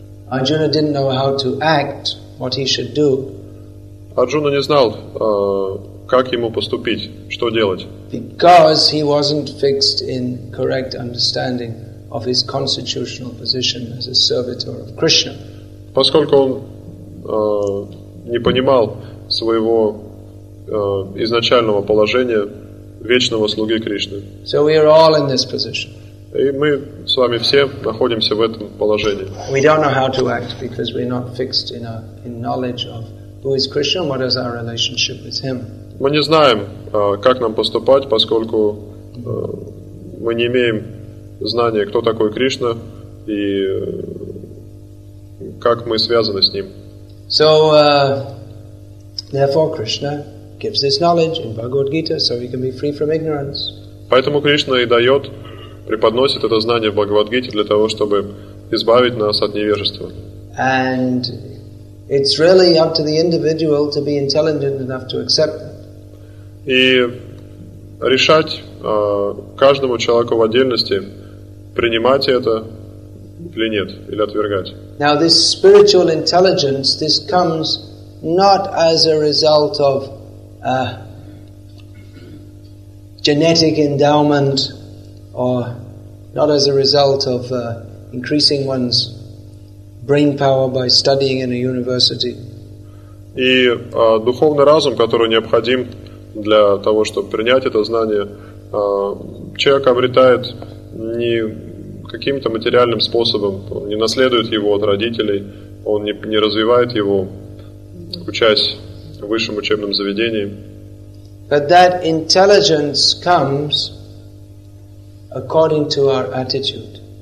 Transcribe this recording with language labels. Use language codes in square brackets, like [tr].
[en] Arjuna didn't know how to act, what he should do. [ru] Арджуна не знал, как ему поступить, что делать. [en] Because he wasn't fixed in correct understanding of his constitutional position as a servitor of Krishna. [ru] Поскольку он не понимал своего изначального положения вечного слуги Кришны. [en] So we are all in this position. [ru] И мы с вами все находимся в этом положении. [en] We don't know how to act because we're not fixed in knowledge of who is Krishna and what is our relationship with him. [ru] Мы не знаем, как нам поступать, поскольку мы не имеем знания, кто такой Кришна и как мы связаны с ним. [en] So therefore Krishna gives this knowledge in Bhagavad Gita so we can be free from ignorance. [ru] Поэтому Кришна и дает, преподносит это знание в Бхагавад-гите для того, чтобы избавить нас от невежества. [en] And it's really up to the individual to be intelligent enough to accept it. [ru] И решать каждому человеку в отдельности, принимать это или нет, или отвергать. [en] Now this spiritual intelligence, this comes not as a result of genetic endowment, or not as a result of increasing one's brain power by studying in a university. [ru] И духовный разум, который необходим для того, чтобы принять это знание, человек обретает не каким-то материальным способом, он не наследует его от родителей, он не развивает его, учась в высшем учебном заведении. [en] But that intelligence comes according to our attitude.